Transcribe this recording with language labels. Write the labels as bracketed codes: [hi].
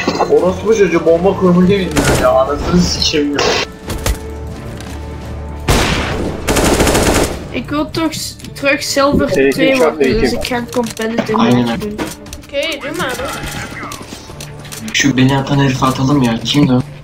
[tr] O nasıl bu çocuğu bomba kurmuyla bilmiyor ya, anasını sikerim ya. [nl] Ik wil toch terug silver 2 worden, dus ik ga competitive mode doen. Oké, doe maar. [tr] Şu beni atan herif atalım ya, kimdi o?